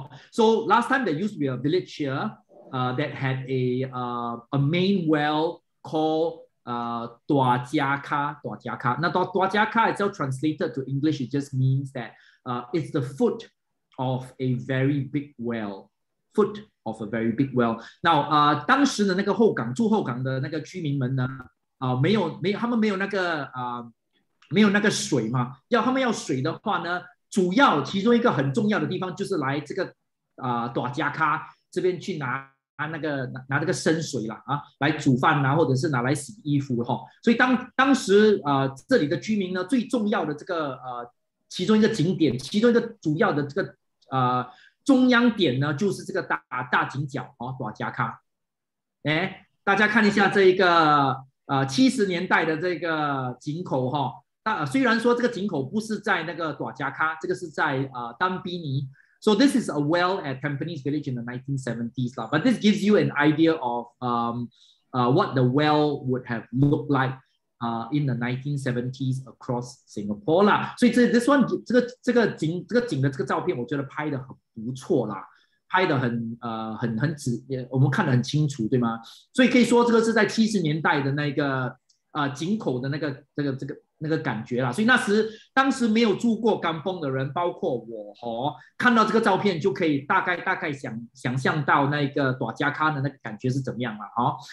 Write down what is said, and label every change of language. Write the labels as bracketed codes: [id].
[en] So last time there used to be a village here that had a main well called Tua Jia Ka. Tua Jia Ka. Now Tua Jia Ka itself translated to English, it just means that it's the foot of a very big well. Foot of a very big well. Now, [zh] 当时的那个后港住后港的那个居民们呢，没有那个水嘛，要他们要水的话呢。主要其中一个很重要的地方就是来这个大家卡这边去拿那个生水啦，啊，来煮饭啊，或者是拿来洗衣服，哦，所以当时这里的居民呢最重要的这个其中一个景点，其中一个主要的这个中央点呢就是这个大井角，哦，大家卡，哎，大家看一下这一个70年代的这个井口，哦，虽然说这个井口不是在那个朵加卡，这个是在丹比尼。 [en] So this is a well at Tampines Village in the 1970s. But this gives you an idea of what the well would have looked like in the 1970s across Singapore. [zh] 啦，所以 [en] this one [zh] 这个井的这个照片，我觉得拍得很不错啦，拍得很直，我们看得很清楚，对吗？所以可以说这个是在70年代的那个井口的那个感觉啦，所以当时没有住过甘榜的人，包括我，哦，看到这个照片就可以大概想象到那个大家卡的那个感觉是怎么样了，哦。